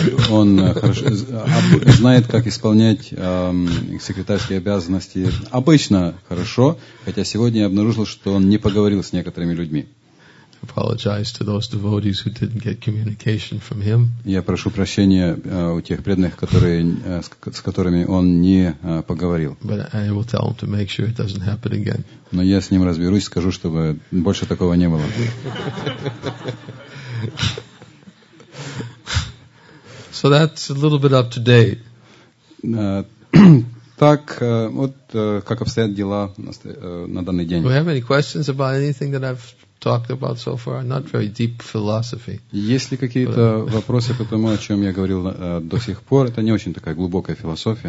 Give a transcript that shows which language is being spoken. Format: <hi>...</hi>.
<ru>Он хорошо знает, как исполнять секретарские обязанности обычно хорошо, хотя сегодня я обнаружил, что он не поговорил с некоторыми людьми.</ru> <en>Apologize to those devotees who didn't get communication from him.</en> <ru>Я прошу прощения у тех преданных, которые с которыми он не поговорил.</ru> <en>But I will tell him to make sure it doesn't happen again.</en> <ru>Но я с ним разберусь, скажу, чтобы больше такого не было.</ru> <en>So that's a little bit up to date.</en> <ru>Так, вот как обстоят дела на данный день.</ru> <en>Do you have any questions about anything that I've talked about so far? Not very deep philosophy.</en> <ru>Есть ли какие-то вопросы по тому, о чем я говорил до сих пор? Это не очень такая глубокая философия.</ru>